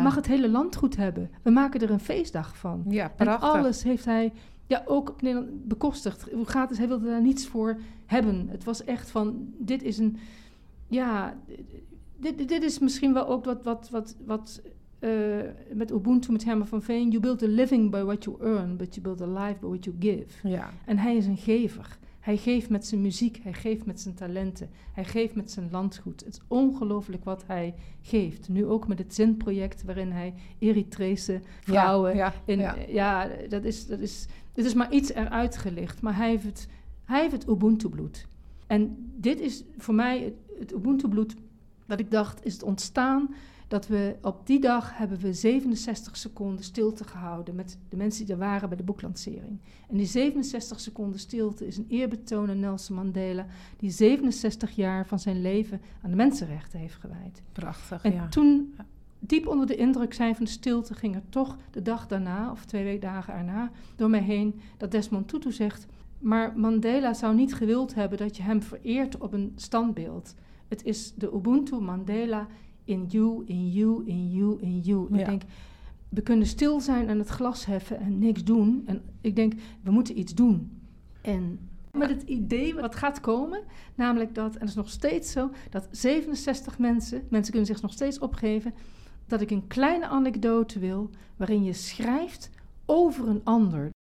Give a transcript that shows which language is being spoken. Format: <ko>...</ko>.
<nl>Mag het hele land goed hebben. We maken er een feestdag van. Ja, prachtig. En alles heeft hij ook op Nederland bekostigd. Gratis, hij wilde daar niets voor hebben. Het was echt van, dit is een... Ja, dit is misschien wel ook wat met Ubuntu, met Herman van Veen.</nl> <en>You build a living by what you earn, but you build a life by what you give.</en> <nl>Ja. En hij is een gever. Hij geeft met zijn muziek, hij geeft met zijn talenten, hij geeft met zijn landgoed. Het is ongelooflijk wat hij geeft. Nu ook met het Zin-project waarin hij Eritrese vrouwen... Het is maar iets eruit gelicht, maar hij heeft het Ubuntu-bloed. En dit is voor mij het Ubuntu-bloed, dat ik dacht, is het ontstaan. Dat we op die dag hebben we 67 seconden stilte gehouden met de mensen die er waren bij de boeklancering. En die 67 seconden stilte is een eerbetoon aan Nelson Mandela, die 67 jaar van zijn leven aan de mensenrechten heeft gewijd. Prachtig, en ja. En toen, diep onder de indruk zijn van de stilte, ging er toch de dag daarna, of 2 dagen daarna, door mij heen dat Desmond Tutu zegt, maar Mandela zou niet gewild hebben dat je hem vereert op een standbeeld. Het is de</nl> <en>Ubuntu Mandela in you, in you, in you, in you.</en> <nl>Ja. Ik denk, we kunnen stil zijn en het glas heffen en niks doen. En ik denk, we moeten iets doen. En met het idee wat gaat komen, namelijk dat, en dat is nog steeds zo, dat 67 mensen kunnen zich nog steeds opgeven, dat ik een kleine anekdote wil waarin je schrijft over een ander.</nl>